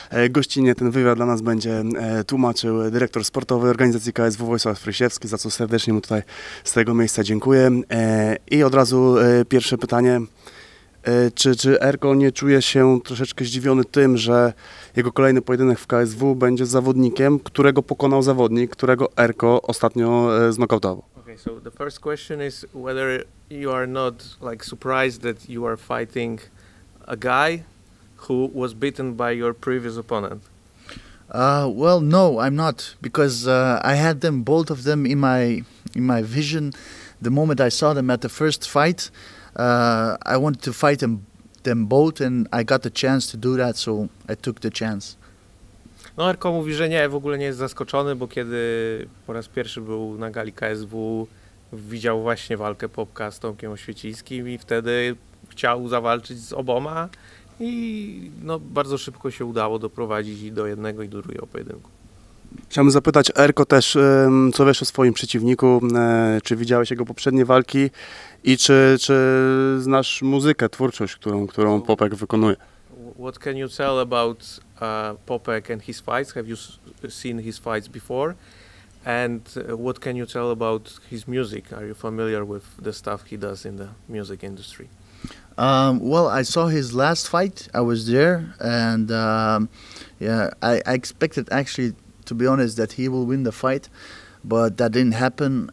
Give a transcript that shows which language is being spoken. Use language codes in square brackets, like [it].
[pl] Gościnnie ten wywiad dla nas będzie tłumaczył dyrektor sportowy organizacji KSW Wojsław Frysiewski, za co serdecznie mu tutaj z tego miejsca dziękuję. I od razu pierwsze pytanie, czy Erko nie czuje się troszeczkę zdziwiony tym, że jego kolejny pojedynek w KSW będzie zawodnikiem, którego pokonał zawodnik, którego Erko ostatnio znokautował? [en] Okay, so the first question is whether you are not like surprised that you are fighting a guy who was beaten by your previous opponent. Well, no, I'm not, because I had them, both of them, in my vision. The moment I saw them at the first fight, I wanted to fight them both, and I got the chance to do that, so I took the chance. [pl] No, Erko mówi, że nie, w ogóle nie jest zaskoczony, bo kiedy po raz pierwszy był na gali KSW, widział właśnie walkę Popka z Tomkiem Oświecińskim i wtedy chciał zawalczyć z oboma i no, bardzo szybko się udało doprowadzić i do jednego, i do drugiego pojedynku. Chciałbym zapytać Erko też, co wiesz o swoim przeciwniku, czy widziałeś jego poprzednie walki i czy znasz muzykę, twórczość, którą Popek wykonuje? [en] What can you tell about Popek and his fights? Have you seen his fights before? And what can you tell about his music? Are you familiar with the stuff he does in the music industry? Well, I saw his last fight. I was there, and I expected, actually, to be honest, that he will win the fight, but that didn't happen.